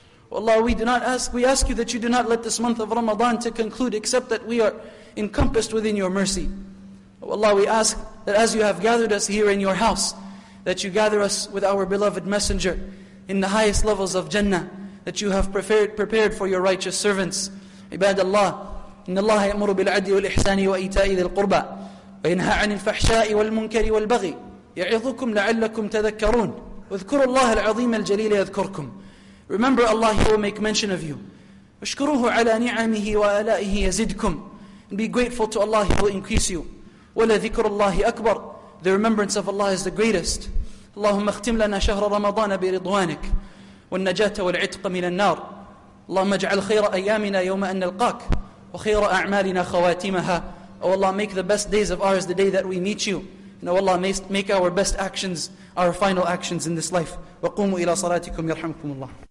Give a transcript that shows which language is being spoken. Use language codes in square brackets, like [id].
[en] O Allah, we ask you that you do not let this month of Ramadan to conclude except that we are encompassed within your mercy. O Allah, we ask that as you have gathered us here in your house, that you gather us with our beloved messenger in the highest levels of Jannah that you have prepared for your righteous servants. [ar] Ibadallah, إن الله يأمر بالعدل والإحسان وإيتاء ذي القربى وينهى عن الفحشاء والمنكر والبغي يعظكم لعلكم تذكرون اذكروا الله العظيم الجليل يذكركم. [en] Remember Allah, He will make mention of you. [ar] اشكروه على نعمه وآلائه يزدكم. [en] And be grateful to Allah, He will increase you. [ar] ولذكر الله أكبر. [en] The remembrance of Allah is the greatest. [ar] اللهم اختم لنا شهر رمضان برضوانك والنجاة والعتق من النار. اللهم اجعل خير أيامنا يوم أن نلقاك وخير أعمالنا خواتيمها. [en] O Allah, make the best days of ours the day that we meet you. And O Allah, make our best actions, our final actions in this life. [ar] وقوموا إلى صلاتكم يرحمكم الله.